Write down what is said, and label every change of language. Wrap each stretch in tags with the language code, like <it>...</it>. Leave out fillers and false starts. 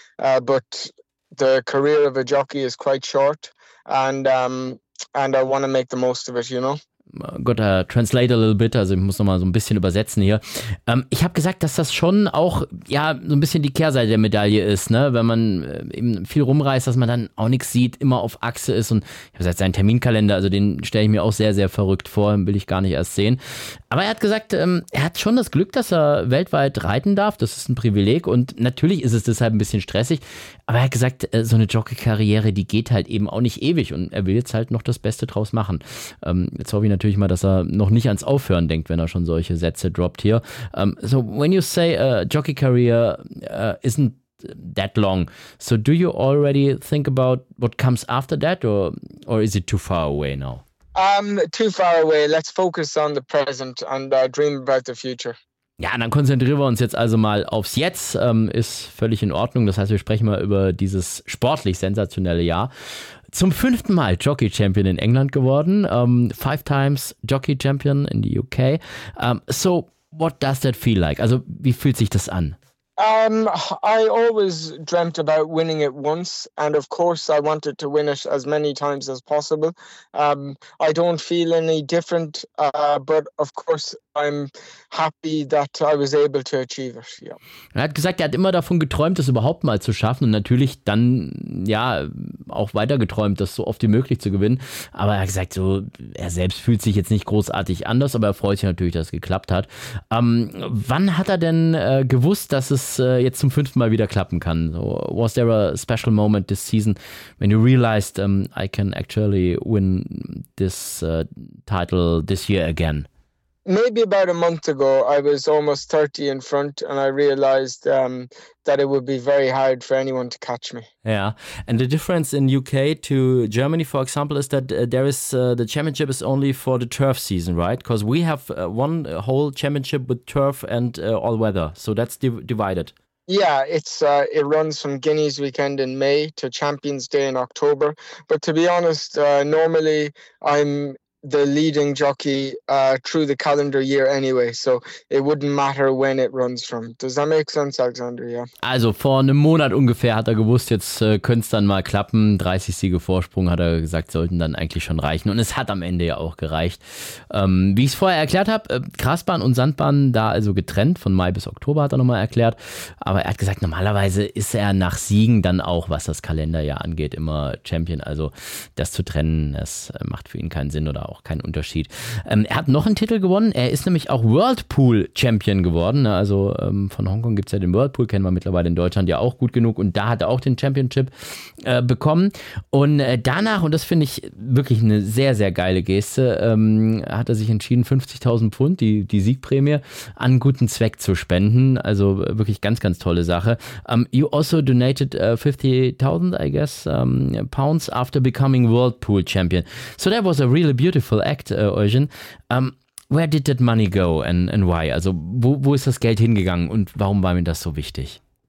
<en>But the career of a jockey is quite short. And I want to make the most of it, you know?</en> <de>Gott,</de> <en>translate a little bit,</en> <de>also ich muss nochmal so ein bisschen übersetzen hier. Ich habe gesagt, dass das schon auch, ja, so ein bisschen die Kehrseite der Medaille ist, ne? Wenn man eben viel rumreist, dass man dann auch nichts sieht, immer auf Achse ist und ich habe gesagt, seinen Terminkalender, also den stelle ich mir auch sehr, sehr verrückt vor, den will ich gar nicht erst sehen. Aber er hat gesagt, er hat schon das Glück, dass er weltweit reiten darf, das ist ein Privileg und natürlich ist es deshalb ein bisschen stressig, aber er hat gesagt, so eine Jockey-Karriere, die geht halt eben auch nicht ewig und er will jetzt halt noch das Beste draus machen. Jetzt hoffe ich natürlich mal, dass er noch nicht ans Aufhören denkt, wenn er schon solche Sätze droppt hier.</de> <en>So, when you say a jockey career isn't that long, so do you already think about what comes after that or is it too far away now? Too far away. Let's focus on the present and dream about the future.</en> <de>Ja, dann konzentrieren wir uns jetzt also mal aufs Jetzt. Ist völlig in Ordnung. Das heißt, wir sprechen mal über dieses sportlich sensationelle Jahr. Zum fünften Mal Jockey Champion in England geworden.</de> <en>Five times Jockey Champion in the UK. So, what does that feel like?</en> <de>Also, wie fühlt sich das an?</de> <en>I always dreamt about winning it once. And of course, I wanted to win it as many times as possible. I don't feel any different. But of course, I'm happy that I was able to achieve it. Yeah.</en> <de>Er hat gesagt, er hat immer davon geträumt, das überhaupt mal zu schaffen und natürlich dann ja auch weiter geträumt, das so oft wie möglich zu gewinnen. Aber er hat gesagt, so, er selbst fühlt sich jetzt nicht großartig anders, aber er freut sich natürlich, dass es geklappt hat. Wann hat er denn gewusst, dass es das jetzt zum fünften Mal wieder klappen kann?</de> <en>Was there a special moment this season when you realized I can actually win this title this year again? Maybe about a month ago, I was almost 30 in front and I realized that it would be very hard for anyone to catch me. Yeah, and the difference in UK to Germany, for example, is that there is the championship is only for the turf season, right? Because we have one whole championship with turf and all weather, so that's divided. Yeah, it's it runs from Guineas weekend in May to Champions Day in October. But to be honest, normally I'm the leading jockey through the calendar year anyway, so it wouldn't matter when it runs from. Does that make sense, Alexander? Yeah.</en> <de>Also vor einem Monat ungefähr hat er gewusst, jetzt könnte es dann mal klappen. 30 Siege Vorsprung, hat er gesagt, sollten dann eigentlich schon reichen. Und es hat am Ende ja auch gereicht. Wie ich es vorher erklärt habe, Grasbahn und Sandbahn da also getrennt, von Mai bis Oktober hat er nochmal erklärt. Aber er hat gesagt, normalerweise ist er nach Siegen dann auch, was das Kalenderjahr angeht, immer Champion. Also das zu trennen, das macht für ihn keinen Sinn oder auch keinen Unterschied. Er hat noch einen Titel gewonnen. Er ist nämlich auch Whirlpool Champion geworden. Also von Hongkong gibt es ja den Whirlpool, kennen wir mittlerweile in Deutschland ja auch gut genug. Und da hat er auch den Championship bekommen. Und danach, und das finde ich wirklich eine sehr, sehr geile Geste, hat er sich entschieden, 50.000 Pfund, die Siegprämie, an guten Zweck zu spenden. Also wirklich ganz, ganz tolle Sache.</de> <en>You also donated 50.000, I guess, pounds after becoming Whirlpool Champion. So that was a really beautiful act, Eugen. Where did that money go and why?</en> <de>Also, wo ist das Geld hingegangen und warum war mir das so wichtig?</de>